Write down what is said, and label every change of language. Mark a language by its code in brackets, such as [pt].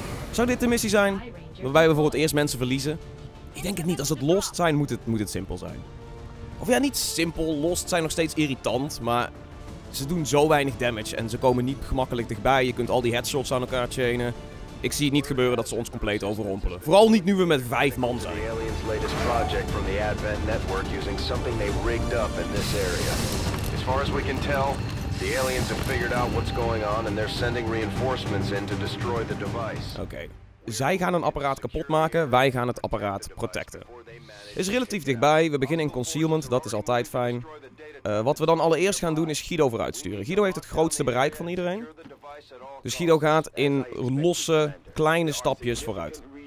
[nl] Zou dit de missie zijn? Waarbij we bijvoorbeeld eerst mensen verliezen? Ik denk het niet. Als het Lost zijn, moet het simpel zijn. Of ja, niet simpel. Lost zijn nog steeds irritant. Maar ze doen zo weinig damage en ze komen niet gemakkelijk dichtbij. Je kunt al die headshots aan elkaar chainen. Ik zie het niet gebeuren dat ze ons compleet overrompelen. Vooral niet nu we met 5 man zijn. [en] The aliens' latest project from the Advent Network using something they rigged up in this area. As far as we can tell, the aliens have figured out what's going on and they're sending reinforcements in to destroy the device. Okay. [nl] Zij gaan een apparaat kapot maken, wij gaan het apparaat protecten. Is relatief dichtbij, we beginnen in concealment, dat is altijd fijn. Wat we dan allereerst gaan doen is Guido vooruit sturen. Guido heeft het grootste bereik van iedereen. Dus Guido gaat in losse, kleine stapjes vooruit.